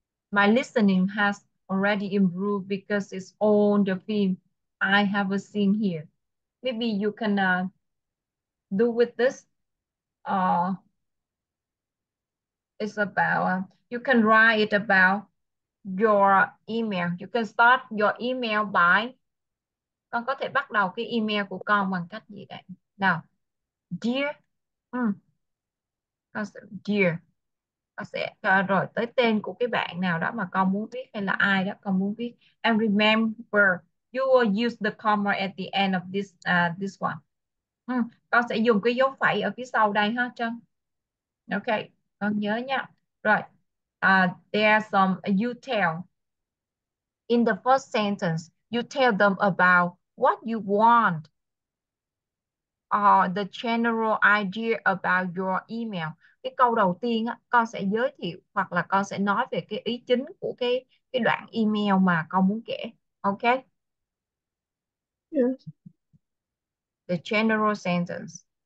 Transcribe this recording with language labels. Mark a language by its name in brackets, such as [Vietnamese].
[English] My listening has already improved because it's all the film I have seen here. Maybe you can do with this. It's about, you can write it about your email. You can start your email by, [Vietnamese] con có thể bắt đầu cái email của con bằng cách gì đấy. Nào. [English] Dear, dear, [Vietnamese] con sẽ rồi tới tên của cái bạn nào đó mà con muốn viết hay là ai đó con muốn viết. [English] And remember, you will use the comma at the end of this this one. [Vietnamese] Con sẽ dùng cái dấu phẩy ở phía sau đây ha, Trân. Okay, con nhớ nha. Rồi, [English] there's some you tell. In the first sentence, you tell them about what you want. The general idea about your email. [Vietnamese] Cái câu đầu tiên á, con sẽ giới thiệu hoặc là con sẽ nói về cái ý chính của cái đoạn email mà con muốn kể. Ok. [English] The general sentence.